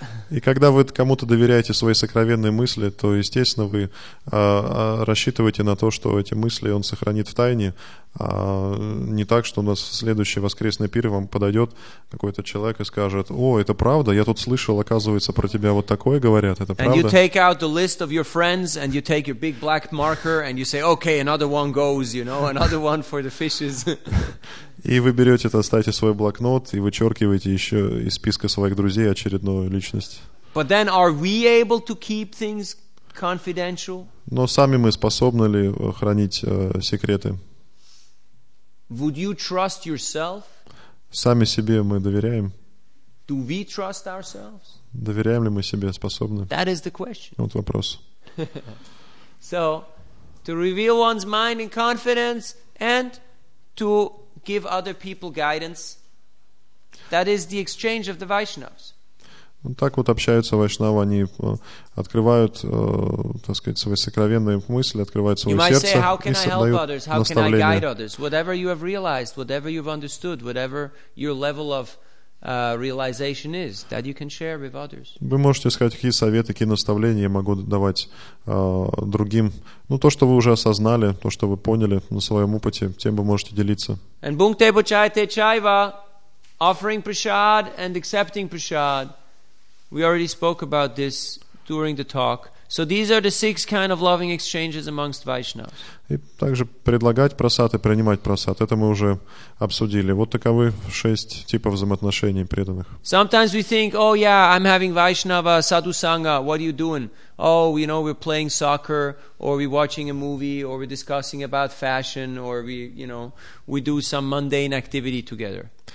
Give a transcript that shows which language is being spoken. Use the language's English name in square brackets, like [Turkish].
[Russian] И когда вы кому-то доверяете свои сокровенные мысли, то, естественно, вы рассчитываете на то, что эти мысли он сохранит в тайне. Не так, что у нас в следующий воскресный пир вам подойдет какой-то человек и скажет: «О, это правда? Я тут слышал, оказывается, про тебя вот такое говорят, это правда?» [English] And you take out the list of your friends and you take your big black marker and you say: «Okay, another one goes, you know, another one for the fishes». [Russian] И вы берете, оставьте свой блокнот и вычеркиваете еще из списка своих друзей очередную личность. [English] But then are we able to keep things confidential? [Russian] Но сами мы способны ли хранить секреты? [English] Would you trust yourself? [Russian] Сами себе мы доверяем? [English] Do we trust ourselves? [Russian] Доверяем ли мы себе, способны? [English] That is the question. [Russian] Вот вопрос. [English] So, to reveal one's mind in confidence and to give other people guidance, that is the exchange of the Vaishnavas. [Russian] Так вот общаются вайшнавы, они открывают, так сказать, свои сокровенные мысли, открывают свое сердце и создают наставления. [English] How can I help others? Whatever you have realized, whatever you've understood, whatever your level of realization is, that you can share with others. [Russian] Вы можете сказать, какие советы, какие наставления я могу давать другим. Ну, то, что вы уже осознали, то, что вы поняли на своем опыте, тем вы можете делиться. [English] And [Sanskrit] bhunkte bhuchayate chaiva, [English] offering prasad and accepting prasad. We already spoke about this during the talk. So these are the six kind of loving exchanges amongst Vaishnavas. [Russian] И также предлагать просад и принимать просад. Это мы уже обсудили. Вот таковы шесть типов взаимоотношений преданных. [English] Sometimes we think, oh yeah, I'm having Vaishnava sadhu sangha. What are you doing? Oh, you know, we're playing soccer, or we're watching a movie, or we're discussing about fashion, or we, you know, we do some mundane activity together.